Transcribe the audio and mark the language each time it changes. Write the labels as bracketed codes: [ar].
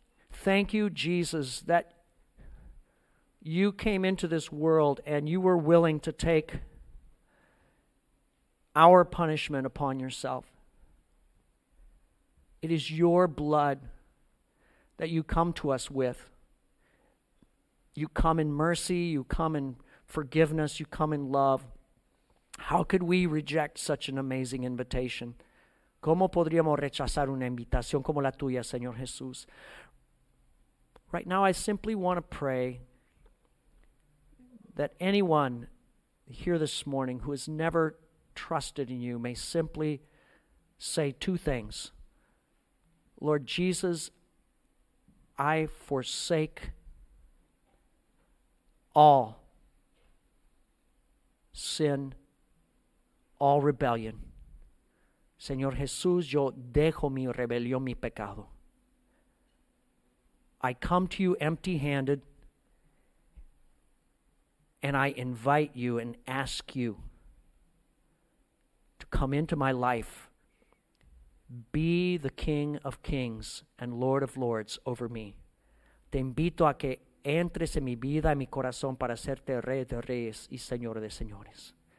[en] Thank you, Jesus, that you came into this world and you were willing to take our punishment upon yourself. It is your blood that you come to us with. You come in mercy, you come in forgiveness, you come in love. How could we reject such an amazing invitation? [es] ¿Cómo podríamos rechazar una invitación como la tuya, Señor Jesús? [en] Right now, I simply want to pray that anyone here this morning who has never trusted in you may simply say two things. Lord Jesus, I forsake all sin, all rebellion. [es] Señor Jesús, yo dejo mi rebelión, mi pecado. [en] I come to you empty-handed, and I invite you and ask you to come into my life. Be the King of Kings and Lord of Lords over me. [es] Te invito a que entres en mi vida y mi corazón para hacerte Rey de Reyes y Señor de Señores.